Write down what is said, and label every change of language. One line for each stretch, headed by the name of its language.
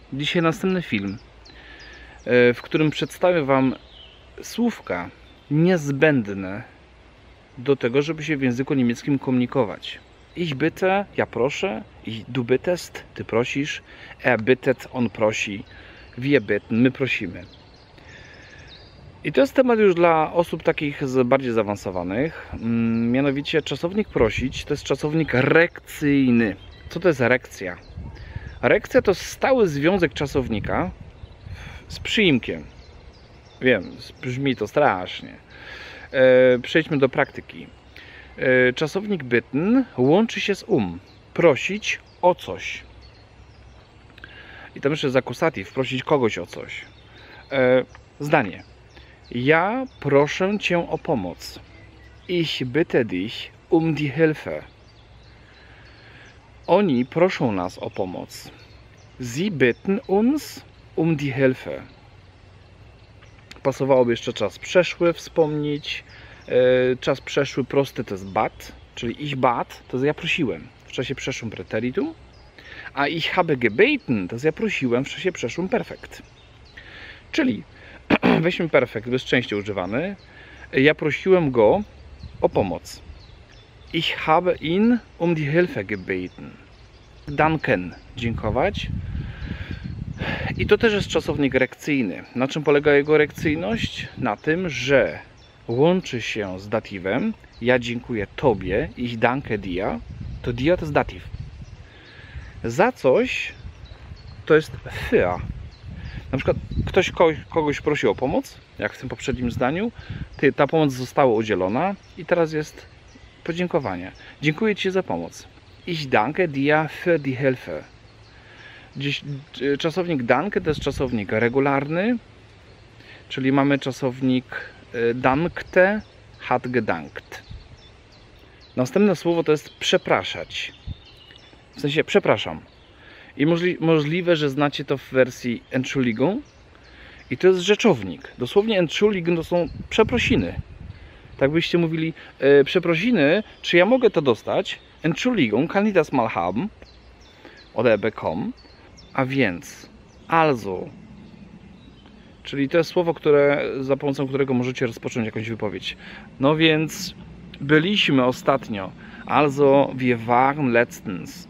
Polish: Dzisiaj następny film, w którym przedstawię Wam słówka niezbędne do tego, żeby się w języku niemieckim komunikować.
German: Ich bitte,
Polish: ja proszę.
German: Ich du bittest,
Polish: ty prosisz.
German: Er bittet,
Polish: on prosi.
German: Wir bitten,
Polish: my prosimy. I to jest temat już dla osób takich z bardziej zaawansowanych. Mianowicie czasownik prosić to jest czasownik rekcyjny. Co to jest rekcja? Rekcja to stały związek czasownika z przyimkiem. Wiem, brzmi to strasznie. Przejdźmy do praktyki. Czasownik bitten łączy się z prosić o coś. I tam jeszcze jest akusatyw, prosić kogoś o coś. Zdanie. Ja proszę cię o pomoc.
German: Ich bitte dich die Hilfe.
Polish: Oni proszą nas o pomoc.
German: Sie bitten uns die Hilfe.
Polish: Pasowałoby jeszcze czas przeszły wspomnieć. Czas przeszły prosty to jest bat, czyli
German: ich bat
Polish: to jest ja prosiłem w czasie przeszłym preteritu. A
German: ich habe gebeten
Polish: to jest ja prosiłem w czasie przeszłym perfekt. Czyli weźmy perfekt, jest częściej używany. Ja prosiłem go o pomoc.
German: Ich habe ihn die Hilfe gebeten.
Polish: Danken, dziękować. I to też jest czasownik rekcyjny. Na czym polega jego rekcyjność? Na tym, że łączy się z datywem. Ja dziękuję tobie,
German: ich danke dir.
Polish: To dir to jest datyw. Za coś to jest für. Na przykład ktoś kogoś prosi o pomoc, jak w tym poprzednim zdaniu. Ta pomoc została udzielona i teraz jest podziękowanie. Dziękuję ci za pomoc.
German: Ich danke dir für die Hilfe.
Polish: Dziś, czasownik danke to jest czasownik regularny, czyli mamy czasownik dankte, hat gedankt. Następne słowo to jest przepraszać. W sensie przepraszam. I możliwe, że znacie to w wersji Entschuldigung. I to jest rzeczownik. Dosłownie Entschuldigung to są przeprosiny. Tak byście mówili, przeprosiny, czy ja mogę to dostać?
German: Entschuldigung, kann ich das mal haben? Oder bekommen?
Polish: A więc,
German: also.
Polish: Czyli to jest słowo, które, za pomocą którego możecie rozpocząć jakąś wypowiedź. No więc, byliśmy ostatnio.
German: Also, wir waren letztens.